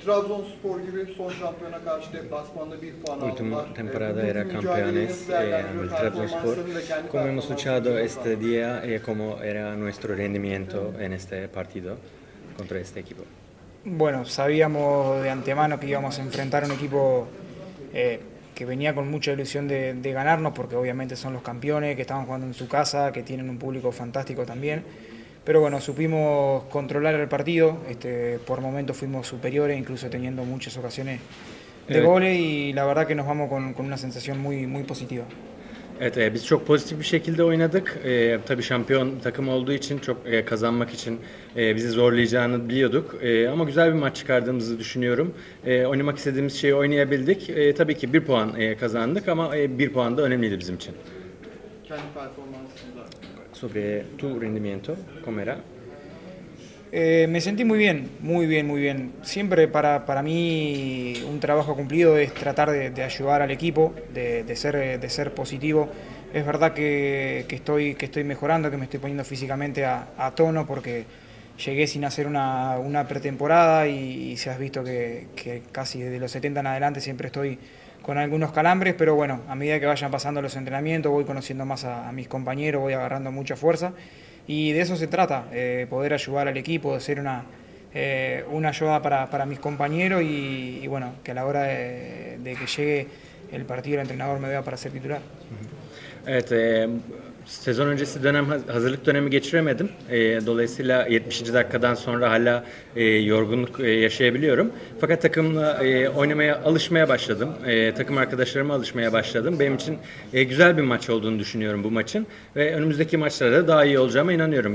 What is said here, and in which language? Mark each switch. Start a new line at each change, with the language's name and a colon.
Turkish: Trabzonspor gibi son şampiyona karşı deplasmanda bir puan
Spanish: Última
Turkish: aldılar.
Spanish: Temporada era campeones en el Trabzonspor. Como hemos luchado este día y como era nuestro rendimiento en este partido contra este equipo. Bueno, sabíamos de antemano que íbamos a enfrentar a un equipo que venía con mucha ilusión de ganarnos, porque obviamente son los campeones, que estaban jugando en su casa, que tienen un público fantástico también. Pero bueno, supimos controlar el partido, por momentos fuimos superiores, incluso teniendo muchas ocasiones de goles, y la verdad que nos vamos con una sensación muy, muy positiva.
Turkish: Evet, biz çok pozitif bir şekilde oynadık. Tabii şampiyon takım olduğu için çok kazanmak için bizi zorlayacağını biliyorduk. Ama güzel bir maç çıkardığımızı düşünüyorum. Oynamak istediğimiz şeyi oynayabildik. Tabii ki bir puan kazandık ama bir puan da önemliydi bizim için. Kendi performansında.
Spanish: Sobre tu rendimiento, ¿cómo era? Me sentí muy bien, muy bien, muy bien. Siempre para mí un trabajo cumplido es tratar de ayudar al equipo, de ser positivo. Es verdad que estoy mejorando, que me estoy poniendo físicamente a tono, porque llegué sin hacer una pretemporada y se has visto que casi desde los 70 en adelante siempre estoy con algunos calambres, pero bueno, a medida que vayan pasando los entrenamientos voy conociendo más a mis compañeros, voy agarrando mucha fuerza. Y de eso se trata, poder ayudar al equipo, de ser una ayuda para mis compañeros y bueno, que a la hora de que llegue el partido el entrenador me vea para ser titular.
Turkish: Evet, sezon öncesi dönem hazırlık dönemi geçiremedim. Dolayısıyla 70. dakikadan sonra hala yorgunluk yaşayabiliyorum. Fakat takımla oynamaya alışmaya başladım. Takım arkadaşlarıma alışmaya başladım. Benim için güzel bir maç olduğunu düşünüyorum bu maçın. Ve önümüzdeki maçlarda daha iyi olacağıma inanıyorum.